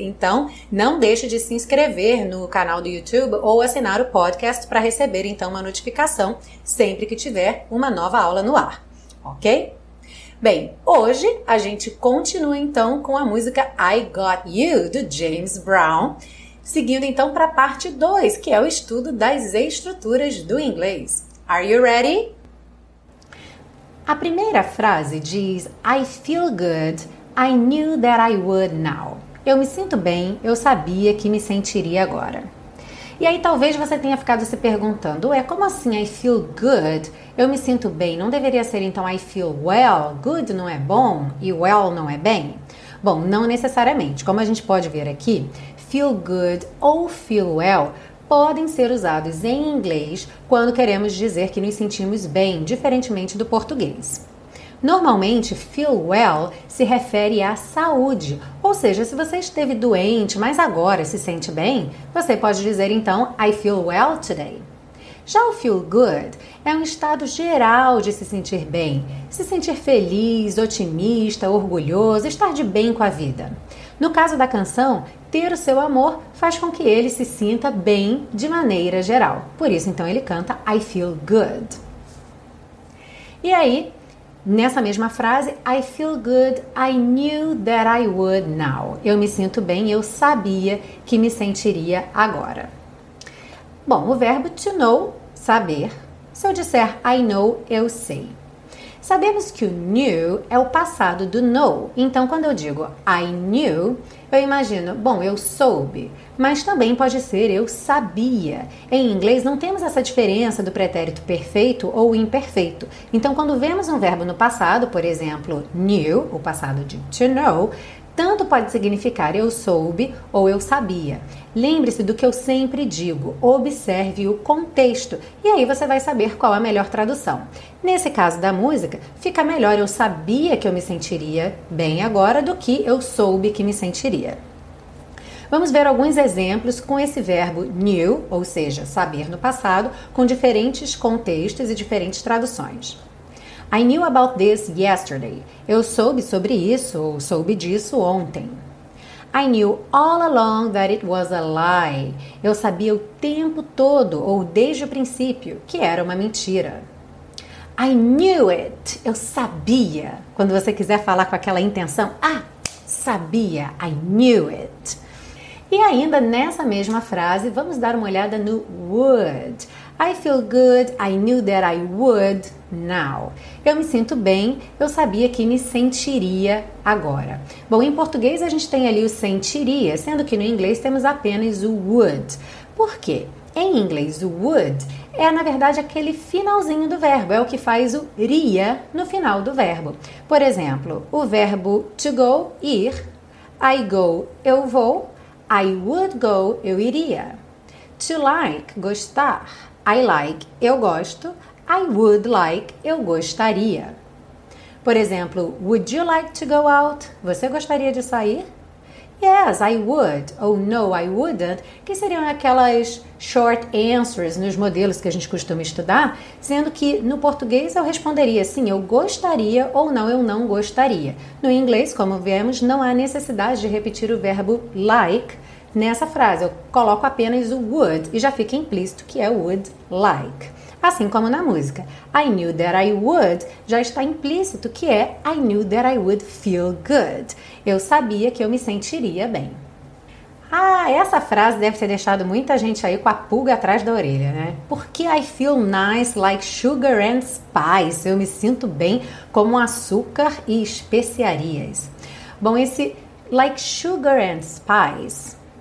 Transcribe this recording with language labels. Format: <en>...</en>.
<pt>Então, não deixe de se inscrever no canal do YouTube ou assinar o podcast para receber então uma notificação sempre que tiver uma nova aula no ar, ok? Bem, hoje a gente continua então com a música I Got You, do James Brown, seguindo então para a parte 2, que é o estudo das estruturas do inglês.</pt> <en>Are you ready?</en> <pt>A primeira frase diz:</pt> <en>I feel good, I knew that I would now.</en> <pt>Eu me sinto bem, eu sabia que me sentiria agora. E aí talvez você tenha ficado se perguntando: é como assim</pt> <en>I feel good?</en> <pt>Eu me sinto bem, não deveria ser então</pt> <en>I feel well?</en> <pt>Good não é bom e well não é bem? Bom, não necessariamente. Como a gente pode ver aqui, feel good ou feel well podem ser usados em inglês quando queremos dizer que nos sentimos bem, diferentemente do português. Normalmente, feel well se refere à saúde, ou seja, se você esteve doente, mas agora se sente bem, você pode dizer então</pt> <en>I feel well today.</en> <pt>Já o feel good é um estado geral de se sentir bem, se sentir feliz, otimista, orgulhoso, estar de bem com a vida. No caso da canção, ter o seu amor faz com que ele se sinta bem de maneira geral. Por isso, então, ele canta</pt> <en>I feel good.</en> <pt>E aí, nessa mesma frase,</pt> <en>I feel good, I knew that I would now.</en> <pt>Eu me sinto bem, eu sabia que me sentiria agora. Bom, o verbo to know, saber. Se eu disser</pt> <en>I know,</en> <pt>eu sei. Sabemos que o knew é o passado do know. Então, quando eu digo</pt> <en>I knew,</en> <pt>eu imagino, bom, eu soube. Mas também pode ser eu sabia. Em inglês, não temos essa diferença do pretérito perfeito ou imperfeito. Então, quando vemos um verbo no passado, por exemplo, knew, o passado de to know, tanto pode significar eu soube ou eu sabia. Lembre-se do que eu sempre digo, observe o contexto e aí você vai saber qual a melhor tradução. Nesse caso da música, fica melhor eu sabia que eu me sentiria bem agora do que eu soube que me sentiria. Vamos ver alguns exemplos com esse verbo knew, ou seja, saber no passado, com diferentes contextos e diferentes traduções.</pt> <en>I knew about this yesterday.</en> <pt>Eu soube sobre isso, ou soube disso ontem.</pt> <en>I knew all along that it was a lie.</en> <pt>Eu sabia o tempo todo, ou desde o princípio, que era uma mentira.</pt> <en>I knew it.</en> <pt>Eu sabia. Quando você quiser falar com aquela intenção, ah, sabia.</pt> <en>I knew it.</en> <pt>E ainda nessa mesma frase, vamos dar uma olhada no would.</pt> <en>I feel good, I knew that I would now.</en> <pt>Eu me sinto bem, eu sabia que me sentiria agora. Bom, em português a gente tem ali o sentiria, sendo que no inglês temos apenas o would. Por quê? Em inglês, o would é, na verdade, aquele finalzinho do verbo, é o que faz o ria no final do verbo. Por exemplo, o verbo to go, ir.</pt> <en>I go,</en> <pt>eu vou.</pt> <en>I would go,</en> <pt>eu iria.</pt> <en>To like,</en> <pt>gostar.</pt> <en>I like,</en> <pt>eu gosto.</pt> <en>I would like,</en> <pt>eu gostaria. Por exemplo,</pt> <en>would you like to go out?</en> <pt>Você gostaria de sair?</pt> <en>Yes, I would.</en> <pt>Ou</pt> <en>no, I wouldn't.</en> <pt>Que seriam aquelas short answers nos modelos que a gente costuma estudar, sendo que no português eu responderia sim, eu gostaria ou não, eu não gostaria. No inglês, como vemos, não há necessidade de repetir o verbo like. Nessa frase, eu coloco apenas o would e já fica implícito que é would like. Assim como na música,</pt> <en>I knew that I would,</en> <pt>já está implícito que é</pt> <en>I knew that I would feel good.</en> <pt>Eu sabia que eu me sentiria bem. Ah, essa frase deve ter deixado muita gente aí com a pulga atrás da orelha, né? Porque</pt> <en>I feel nice like sugar and spice.</en> <pt>Eu me sinto bem como açúcar e especiarias. Bom, esse</pt> <en>like sugar and spice.</en>